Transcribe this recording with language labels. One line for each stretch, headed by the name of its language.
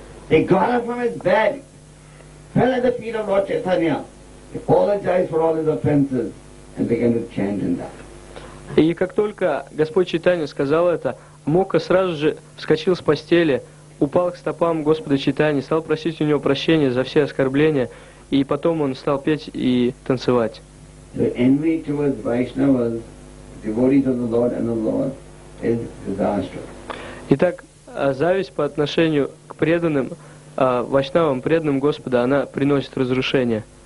English: Fell at the feet of Lord Chaitanya, apologized for all his offenses, and began to chant in that.
Russian: И как только Господь Чайтанья сказал это, Амокха сразу же вскочил с постели, упал к стопам Господа Чайтаньи, стал просить у него прощения за все оскорбления, и потом он стал петь и танцевать.
English: The envy towards Vaishnavas, devotees of the Lord and the Lord, is disastrous.
Russian: Итак, зависть по отношению к преданным Вайшнавам, преданным Господа, она приносит разрушение.